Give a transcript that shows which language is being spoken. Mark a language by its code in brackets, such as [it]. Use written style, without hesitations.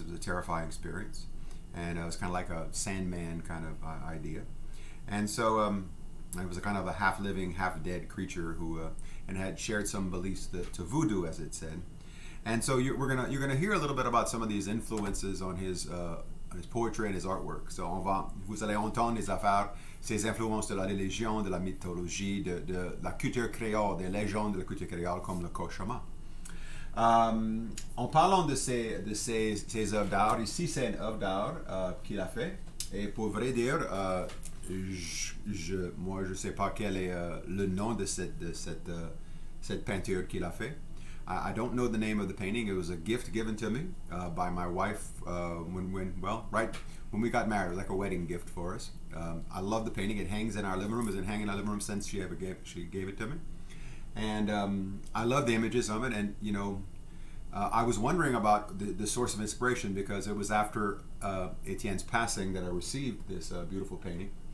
[en] It was a terrifying experience. And it was kind of like a Sandman kind of idea. And so, it was a kind of a half-living, half-dead creature who, and had shared some beliefs to voodoo, as it said. And so you're gonna hear a little bit about some of these influences on his poetry and his artwork. [fr] So vous allez entendre les affaires, ses influences de la religion, de la mythologie, de la culture créole, des légendes de la culture créole comme le Cauchemar. En parlant de ses œuvres d'art, ici c'est une œuvre d'art qu'il a fait, et pour vrai dire. Je sais pas quel est le nom de cette peinture qu'il a fait. [en] I don't know the name of the painting. It was a gift given to me by my wife when we got married. It was like a wedding gift for us. I love the painting. It hangs in our living room. It's been hanging in our living room since she gave it to me. And I love the images of it. And you know, I was wondering about the source of inspiration because it was after Etienne's passing that I received this beautiful painting.